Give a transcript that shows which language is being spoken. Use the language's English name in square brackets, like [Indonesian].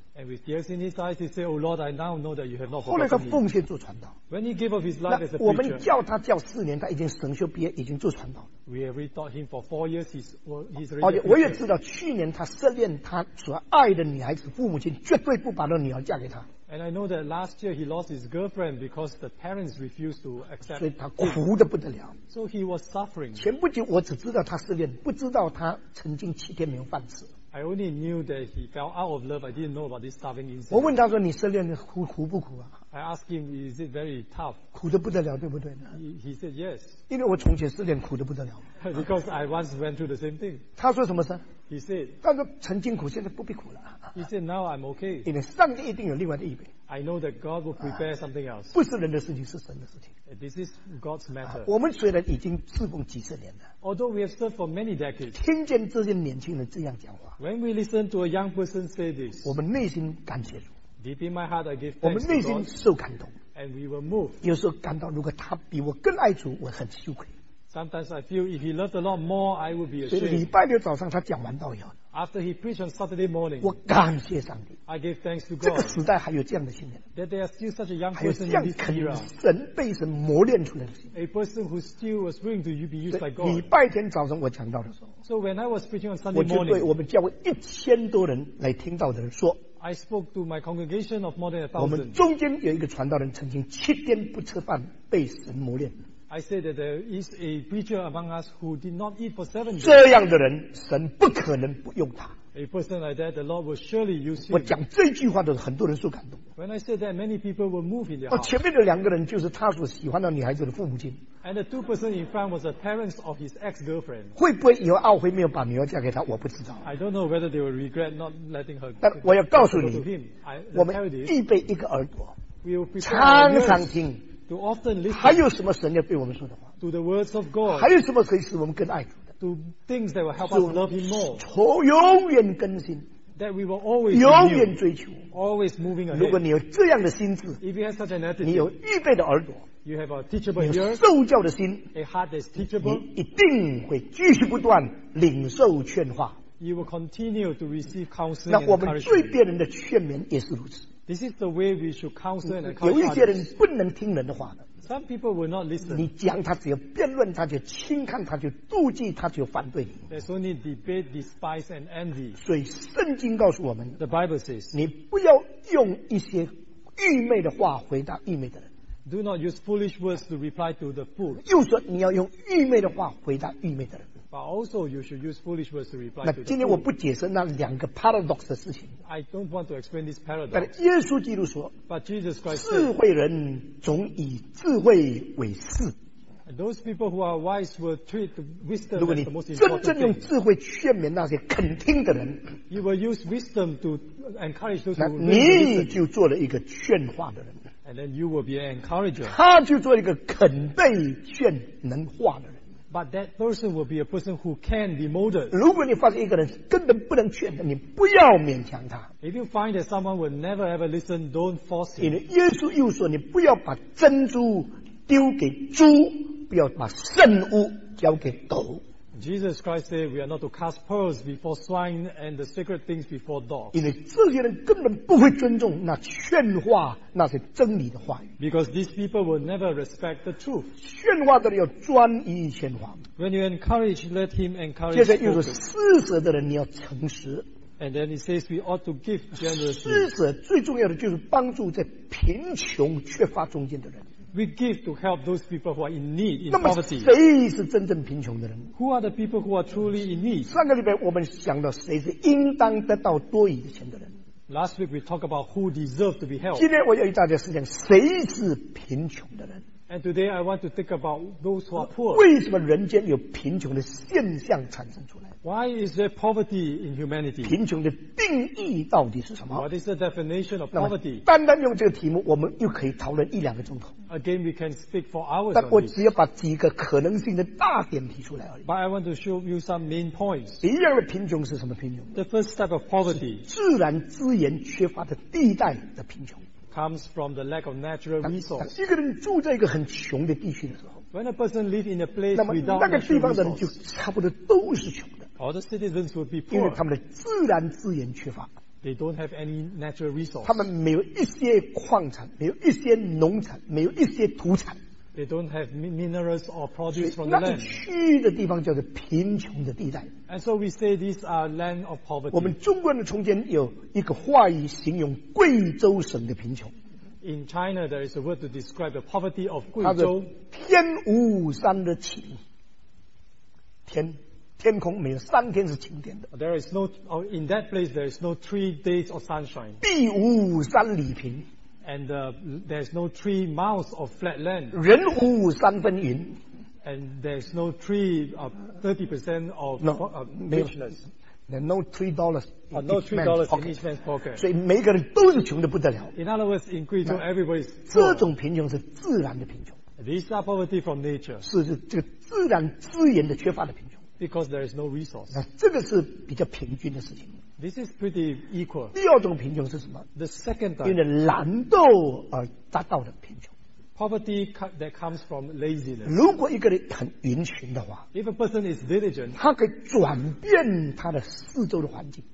[English] And with tears in his eyes, he said, Oh Lord, I now know that you have not forgotten me [Chinese] 后来他奉献做传道 [English] When he gave up his life as a preacher [Chinese] 我们叫他叫4年他已经神学毕业已经做传道了 [English] We have taught him for 4 years. He's really. [Chinese] 我也知道去年他失恋，他所爱的女孩子父母亲绝对不把那女儿嫁给他。 [English] And I know that last year he lost his girlfriend because the parents refused to accept. [Chinese] 所以他苦得不得了。 [English] So he was suffering. [Chinese] 前不久我只知道他失恋，不知道他曾经7天没有饭吃。 [English] I only knew that he fell out of love. I didn't know about this starving incident. [Chinese] 我问他说：“你失恋苦不苦啊？” [English] I asked him, "Is it very tough?" [Chinese] 苦得不得了，对不对？ [English] He said yes. [Chinese] 因为我从前失恋苦得不得了。 [English] Because I once went through the same thing. [Chinese] 他说什么事？ [English] He said. [Chinese] 他说曾经苦，现在不必苦了。 [English] He said, "Now I'm okay." [Chinese] 因为上帝一定有另外的预备。 [English] I know that God will prepare something else. [Chinese] 不是人的事情，是神的事情。 [English] This is God's matter. [Chinese] 我们虽然已经侍奉几十年了 [English] ，Although we have served for many decades, [Chinese] 听见这些年轻人这样讲话 [English] ，When we listen to a young person say this, [Chinese] 我们内心感谢主 [English] ，Deep in my heart, I give thanks to God. [Chinese] 我们内心受感动 [English] ，And we were moved. [Chinese] 有时候感到，如果他比我更爱主，我很羞愧。 [English] Sometimes I feel if he loved a lot more, I would be ashamed. [Chinese] 所以礼拜六早上他讲完道以后 [English] ，After he preached on Saturday morning, [Chinese] 我感谢上帝 [English] ，I give thanks to God. [Chinese] 这个时代还有这样的青年 [English] ，That there are still such a young person in this era. [Chinese] 还有这样神被神磨练出来的 [English] ，A person who still was willing to be used by God. [Chinese] 礼拜天早上我讲到的时候 [English] ，So when I was preaching on Sunday morning, [Chinese] 我就对我们教会1000多人来听到的人说 [English] ，I spoke to my congregation of more than 1,000. [Chinese] 我们中间有一个传道人曾经7天不吃饭被神磨练。 [English] I said that there is a preacher among us who did not eat for 7 days. [Chinese] 这样的人，神不可能不用他。 [English] A person like that, the Lord will surely use him. [Chinese] 我讲这句话的时候，很多人受感动。 [English] When I said that, many people were moved in their hearts. [Chinese] 前面的两个人就是他所喜欢的女孩子的父母亲。 [English] And the 2 persons in front was the parents of his ex-girlfriend. [Chinese] 会不会以后懊悔没有把女儿嫁给他？我不知道。 [English] I don't know whether they will regret not letting her. [Chinese] 但我要告诉你， [English] him, [Chinese] 我们预备一个耳朵， [English] we will prepare [Chinese] 常常听。 [English] To often listen, [Chinese] 还有什么神要对我们说的话 [English] to the words of God, [Chinese] 还有什么可以使我们更爱主的 [English] to things that will help us love him more, [Chinese] 永远更新 [English] that we will always [Chinese] 永远追求 [English] always moving ahead. [Chinese] 如果你有这样的心智 [English] if you have such an attitude, [Chinese] 你有预备的耳朵 [English] you have a teachable [Chinese] 你有受教的心 [English] a heart that is teachable, [Chinese] 你一定会继续不断领受劝化 [English] You will continue to receive counseling. [Chinese] 那我们对别人的劝勉也是如此。 [English] This is the way we should counsel and encourage. [Chinese] 有一些人不能听人的话的。 [English] Some people will not listen. [Chinese] 你讲他只有辩论，他就轻看，他就妒忌，他就反对你。 [English] There's only debate, despise, and envy. [Chinese] 所以圣经告诉我们 [English] ，The Bible says, [Chinese] 你不要用一些愚昧的话回答愚昧的人。 [English] Do not use foolish words to reply to the fool. [Chinese] 又说你要用愚昧的话回答愚昧的人。 [English] But also, you should use foolish words to reply. [Chinese] 那今天我不解释那两个 paradox 的事情。 [English] I don't want to explain this paradox. [Chinese] 但耶稣基督说 [English] ，But Jesus Christ, [Chinese] 智慧人总以智慧为事。 [English] Those people who are wise will treat wisdom as the most important thing. [Chinese] 如果你真正用智慧劝勉那些肯听的人 [English] ，You will use wisdom to encourage those who listen. [Chinese] 那你就做了一个劝化的人。 [English] And then you will be an encourager. [Chinese] 他就做一个肯被劝能化的人。 [English] But that person will be a person who can be molded. [Chinese] 如果你发现一个人根本不能劝的，你不要勉强他。 [English] If you find that someone will never ever listen, don't force him. [Chinese] 因为耶稣又说，你不要把珍珠丢给猪，不要把圣物交给狗。 [English] Jesus Christ said, "We are not to cast pearls before swine and the sacred things before dogs." [Chinese] 因为这些人根本不会尊重那劝化那些真理的话语。 [English] Because these people will never respect the truth. [Chinese] 劝化的人要专一劝化。 [English] When you encourage, let him encourage. [Chinese] 接着又是施舍的人，你要诚实。 [English] And then he says, "We ought to give generously." [Chinese] 施舍最重要的就是帮助在贫穷缺乏中间的人。 [English] We give to help those people who are in need, in poverty. [Chinese] 那么谁是真正贫穷的人？ [English] Who are the people who are truly in need? [Chinese] 上个礼拜我们想到谁是应当得到多余的钱的人。 [English] Last week we talked about who deserve to be helped. [Chinese] 今天我要与大家思想谁是贫穷的人。 [English] And today I want to think about those who are poor. [Chinese] 为什么人间有贫穷的现象产生出来？ [English] Why is there poverty in humanity? [Chinese] 贫穷的定义到底是什么？ [English] What is the definition of poverty? [Chinese] 单单用这个题目，我们又可以讨论一两个钟头。 [English] Again, we can speak for hours. [Chinese] 但我只要把几个可能性的大点提出来而已。 [English] But I want to show you some main points. [Chinese] 第一样的贫穷是什么贫穷？ [English] The first type of poverty. [Chinese] 自然资源缺乏的地带的贫穷。 [English] Comes from the lack of natural resource. [Chinese] 一个人住在一个很穷的地区的时候。 [English] When a person lives in a place without natural resource. [Chinese] 那么那个地方的人就差不多都是穷的。 [English] All the citizens would be poor. [Chinese] 因为他们的自然资源缺乏。 [English] They don't have any natural resource. [Chinese] 他们没有一些矿产，没有一些农产，没有一些土产。 [English] They don't have minerals or produce from the land. [Chinese] 那区的地方叫做贫穷的地带。 [English] And so we say these are land of poverty. [Chinese] 我们中国人从前有一个话语形容贵州省的贫穷。 [English] In China, there is a word to describe the poverty of Guizhou. [Chinese] 天无山的晴。天空没有三天是晴天的。 [English] There is no, in that place, there is no 3 days of sunshine. [Chinese] 地无三里平。 [English] And there is no 3 miles of flat land. [Chinese] 人无三分云。 [English] And there is no 30% of richness. There are no $3 in each man's pocket. [Chinese] 所以每个人都是穷得不得了。 [English] In other words, in Guizhou, everybody's poor. [Chinese] 这种贫穷是自然的贫穷。 [English] These are poverty from nature. [Chinese] 是这个自然资源的缺乏的贫穷。 [English] Because there is no resource. [Chinese] 那这个是比较平均的事情。 [English] This is pretty equal. [Chinese] 第二种贫穷是什么？ [English] The second type. [Chinese] 因为懒惰而达到的贫穷。 [English] Poverty that comes from laziness. [Chinese] 如果一个人很殷勤的话， [English] If a person is diligent, [Chinese] 他可以转变他的四周的环境。